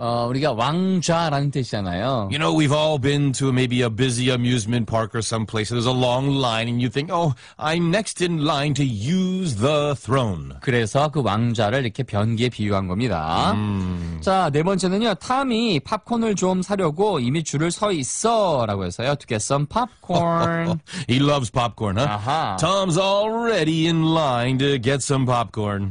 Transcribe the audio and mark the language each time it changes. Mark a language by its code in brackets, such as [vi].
[ko] 우리가 왕좌라는 뜻이잖아요. [en] You know, we've all been to maybe a busy amusement park or someplace. There's a long line and you think, oh, I'm next in line to use the throne. [ko] 그래서 그 왕좌를 이렇게 변기에 비유한 겁니다. 자, 네 번째는요. 탐이 팝콘을 좀 사려고 이미 줄을 서 있어 라고 해서요. [en] To get some popcorn. He loves popcorn, huh? Tom's already in line to get some popcorn.